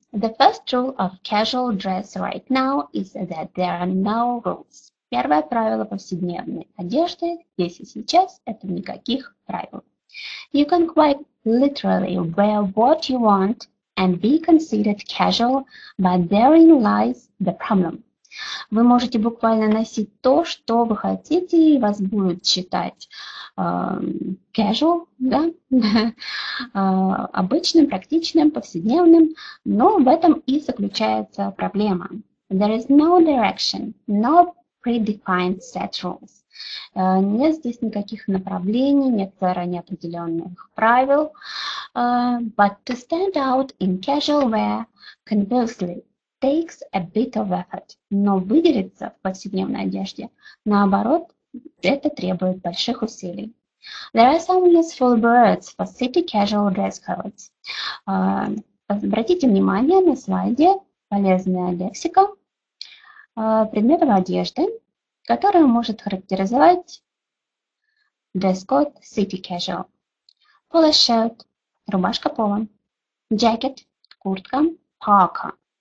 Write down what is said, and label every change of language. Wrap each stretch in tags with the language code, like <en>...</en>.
<en>The first rule of casual dress right now is that there are no rules.</en> <ru>Первое правило повседневной одежды здесь и сейчас – это никаких правил.</ru> <en>You can quite literally wear what you want and be considered casual, but therein lies the problem.</en> <ru>Вы можете буквально носить то, что вы хотите, и вас будут считать casual, да? обычным, практичным, повседневным, но в этом и заключается проблема.</ru> <en>There is no direction, no predefined set rules.</en> <ru>Нет здесь никаких направлений, нет заранее определенных правил.</ru> <en>But to stand out in casual wear, conversely, takes a bit of effort,</en> <ru>но выделиться в повседневной одежде, наоборот, это требует больших усилий.</ru> <en>There are some useful words for city casual dress codes.</en> <ru>Обратите внимание на слайде полезная лексика предметов одежды, которая может характеризовать dress code city casual.</ru> <en>Polo shirt – рубашка поло. Jacket – куртка. Parka.</en>